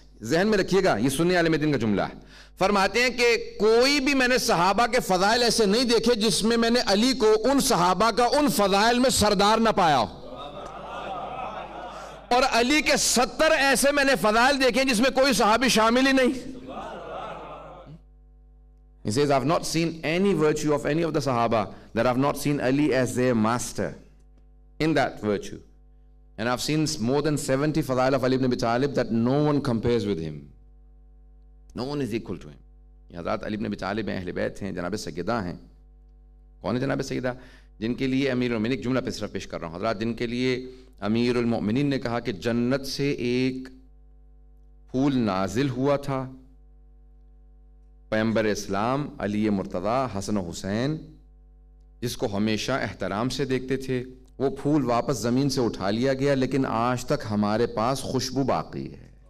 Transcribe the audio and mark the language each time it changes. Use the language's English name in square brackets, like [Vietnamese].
[Urdu] ذہن میں رکھیے گا یہ سنی عالم دین کا جملہ ہے. فرماتے ہیں کہ کوئی بھی میں نے صحابہ کے فضائل ایسے نہیں دیکھے جس میں میں نے علی کو ان صحابہ کا ان فضائل میں سردار نہ پایا ہو اور علی کے 70 ایسے میں نے فضائل دیکھے جس میں کوئی صحابی شامل ہی نہیں. [English] He says, I've not seen any virtue of any of the Sahaba that I've not seen Ali as their master in that virtue. And I've seen more than 70 fadail of Ali ibn Abi Talib that no one compares with him. No one is equal to him. [Urdu] حضرت علی ابن ابی طالب ہیں اہل بیت ہیں جناب سیدہ ہیں. کون ہے جناب سیدہ؟ جن کے لیے امیر المومنین ایک جملہ صرف پیش کر رہا ہوں حضرات جن کے لیے امیر المومنین نے کہا کہ جنت سے ایک پھول نازل ہوا تھا پیغمبر اسلام علی مرتضی حسن و حسین جس کو ہمیشہ احترام سے دیکھتے تھے وہ پھول واپس زمین سے اٹھا لیا گیا لیکن آج تک ہمارے پاس خوشبو باقی ہے.